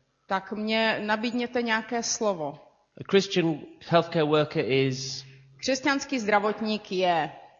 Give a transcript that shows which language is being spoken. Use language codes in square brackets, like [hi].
[cs] Tak mě nabídněte nějaké slovo. [en] A Christian healthcare worker is. [cs] Křesťanský zdravotník je.